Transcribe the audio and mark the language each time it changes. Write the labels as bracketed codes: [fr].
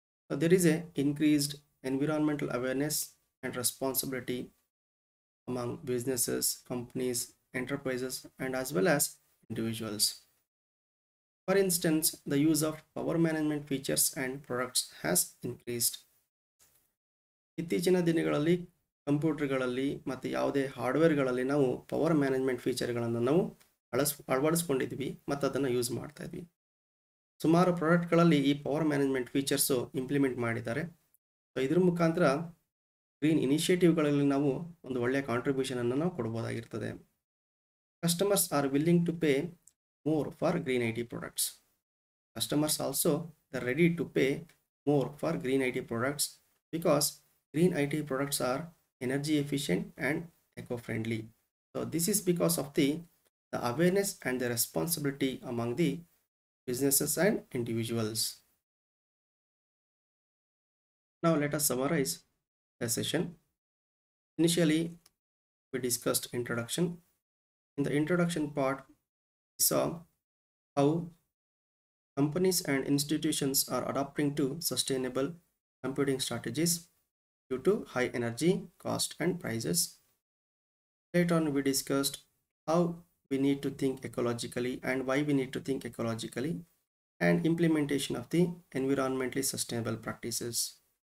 [en] So there is a increased environmental awareness and responsibility among businesses, companies, enterprises, and as well as individuals. For instance, the use of power management features and products has increased. [kn] ಇತ್ತೀಚಿನ ದಿನಗಳಲ್ಲಿ ಕಂಪ್ಯೂಟರ್ಗಳಲ್ಲಿ ಮತ್ತು ಯಾವುದೇ ಹಾರ್ಡ್ವೇರ್ಗಳಲ್ಲಿ ನಾವು power management ಫೀಚರ್ಗಳನ್ನು ನಾವು ಅಳವಡಿಸ್ಕೊಂಡಿದ್ದೀವಿ ಮತ್ತು ಅದನ್ನು use ಮಾಡ್ತಾ ಇದ್ವಿ. ಸುಮಾರು ಪ್ರಾಡಕ್ಟ್ಗಳಲ್ಲಿ ಈ ಪವರ್ ಮ್ಯಾನೇಜ್ಮೆಂಟ್ ಫೀಚರ್ಸು ಇಂಪ್ಲಿಮೆಂಟ್ ಮಾಡಿದ್ದಾರೆ. ಸೊ ಇದ್ರ ಮುಖಾಂತರ ಗ್ರೀನ್ ಇನಿಷಿಯೇಟಿವ್ಗಳಲ್ಲಿ ನಾವು ಒಂದು ಒಳ್ಳೆಯ ಕಾಂಟ್ರಿಬ್ಯೂಷನನ್ನು ನಾವು ಕೊಡ್ಬೋದಾಗಿರ್ತದೆ. [en] Customers are willing to pay more for green I T products. Customers also they ready to pay more for green I T products because green I T products are energy efficient and eco friendly. So this is because of the awareness and the responsibility among the businesses and individuals. [kn] ನಾವು [en] Let us summarise the session. Initially we discussed introduction. In the introduction part we saw How companies and institutions are adapting to sustainable computing strategies due to high energy cost and prices. Later on, we discussed how we need to think ecologically and why we need to think ecologically, and implementation of the environmentally sustainable practices.